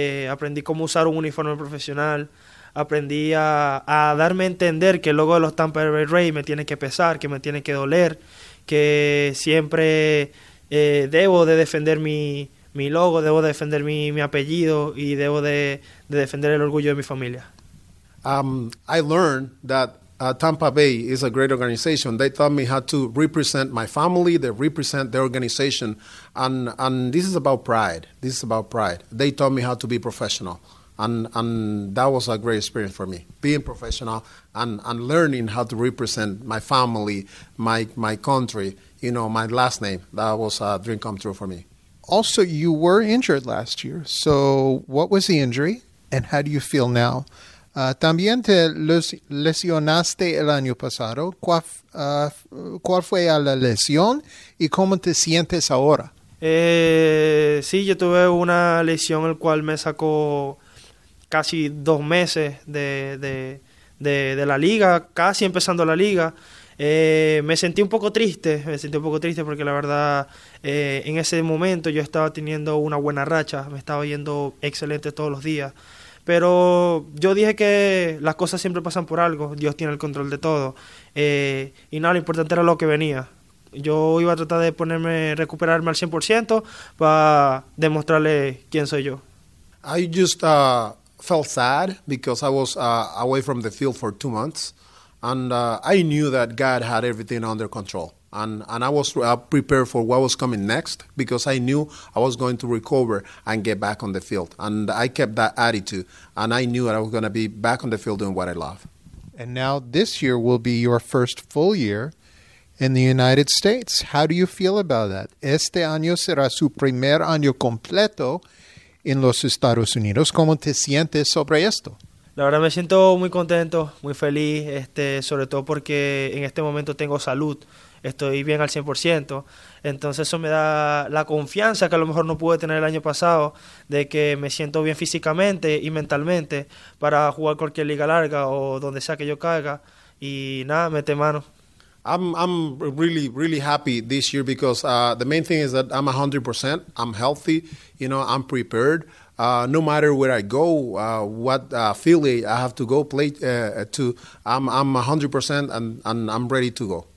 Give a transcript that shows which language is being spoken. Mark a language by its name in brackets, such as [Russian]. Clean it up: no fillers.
[Spanish] Aprendí cómo usar un uniforme profesional. Aprendí a darme a entender que el logo de los Tampa Bay Rays me tiene que pesar, que me tiene que doler, que siempre debo de defender mi logo, debo de defender mi apellido y debo de defender el orgullo de mi familia. [English] I learned that Tampa Bay is a great organization. They taught me how to represent my family, they represent the organization, and this is about pride. This is about pride. They taught me how to be professional. And that was a great experience for me, being professional and learning how to represent my family, my country, you know, my last name. That was a dream come true for me. Also, you were injured last year. So what was the injury and how do you feel now? [Spanish] También te lesionaste el año pasado. ¿Cuál fue la lesión y cómo te sientes ahora? Sí, yo tuve una lesión el cual me sacó casi 2 meses de la liga, casi empezando la liga. Me sentí un poco triste, porque la verdad en ese momento yo estaba teniendo una buena racha, me estaba yendo excelente todos los días. Pero yo dije que las cosas siempre pasan por algo, Dios tiene el control de todo. Y nada, lo importante era lo que venía. Yo iba a tratar de recuperarme al 100% para demostrarle quién soy yo. [English] I just felt sad because I was away from the field for 2 months. And I knew that God had everything under control. And I was prepared for what was coming next because I knew I was going to recover and get back on the field. And I kept that attitude. And I knew that I was going to be back on the field doing what I love. And now this year will be your first full year in the United States. How do you feel about that? [Spanish] Este año será su primer año completo en los Estados Unidos. ¿Cómo te sientes sobre esto? La verdad me siento muy contento, muy feliz, sobre todo porque en este momento tengo salud, estoy bien al 100%, entonces eso me da la confianza que a lo mejor no pude tener el año pasado, de que me siento bien físicamente y mentalmente para jugar cualquier liga larga o donde sea que yo caiga, y nada, mete mano. [English] I'm really, really happy this year because the main thing is that I'm 100%. I'm healthy. You know, I'm prepared. No matter where I go, what affiliate I have to go play to, I'm 100% and I'm ready to go.